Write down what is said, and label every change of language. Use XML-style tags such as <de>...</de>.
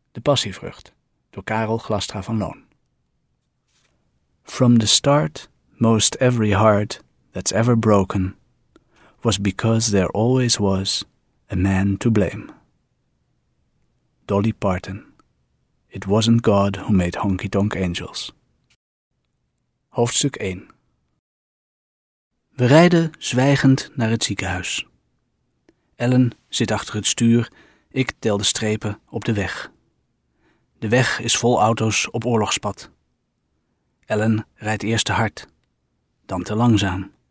<nl>De passievrucht door Karel Glastra van Loon.</nl> <en>From the start, most every heart that's ever broken was because there always was a man to blame. Dolly Parton. It wasn't God who made honky-tonk angels.</en> <nl>Hoofdstuk 1. We rijden zwijgend naar het ziekenhuis. Ellen zit achter het stuur, ik tel de strepen op de weg. De weg is vol auto's op oorlogspad. Ellen rijdt eerst te hard, dan te langzaam.</nl>